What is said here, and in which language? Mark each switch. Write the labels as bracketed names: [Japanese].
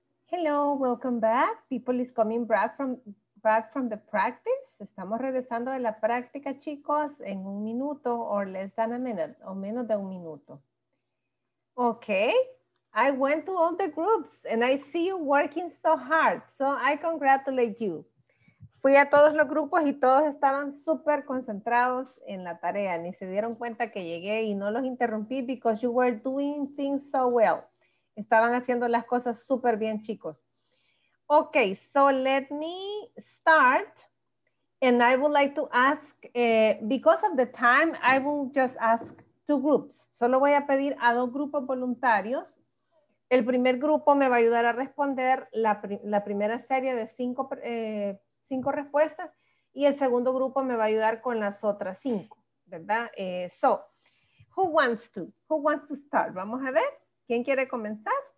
[English] Hello, welcome back. People is coming back from the practice. [Spanish] Estamos regresando de la práctica, chicos, en un minuto [English] or less than a minute, [Spanish] o menos de un minuto. [English] Okay, I went to all the groups and I see you working so hard. So I congratulate you. [Spanish] Fui a todos los grupos y todos estaban súper concentrados en la tarea. Ni se dieron cuenta que llegué y no los interrumpí [English] because you were doing things so well. [Spanish] Estaban haciendo las cosas súper bien, chicos. [English] Okay, so let me start. And I would like to ask, because of the time, I will just ask two groups. [Spanish] Solo voy a pedir a dos grupos voluntarios. El primer grupo me va a ayudar a responder la primera serie de cinco respuestas. Y el segundo grupo me va a ayudar con las otras cinco, ¿verdad? [English] So, who wants to start? [Spanish] Vamos a ver. ¿Quién quiere comenzar?